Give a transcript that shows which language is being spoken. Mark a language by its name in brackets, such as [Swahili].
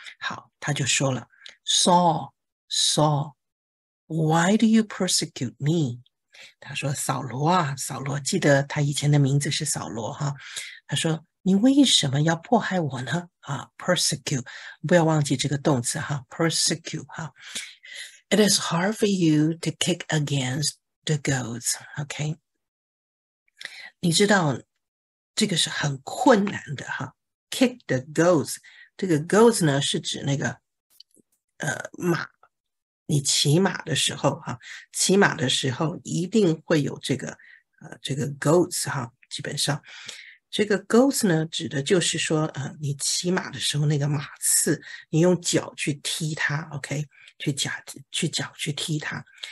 [Chinese] 好，他就说了， [English] Saul，Saul，Why do you persecute me？ [Chinese] 他说：“扫罗啊，扫罗，记得他以前的名字是扫罗哈。他说：‘你为什么要迫害我呢？’ 啊，persecute，不要忘记这个动词哈，persecute 哈。 [English] It is hard for you to kick against the goads. [Chinese] OK，你知道这个是很困难的哈。 [English] Kick the goads， [Chinese] 这个 goads 呢是指那个马。” 你骑马的时候，哈，骑马的时候一定会有这个，这个 goats 哈，基本上，这个 goats 呢，指的就是说，你骑马的时候那个马刺，你用脚去踢它，OK，去踢它。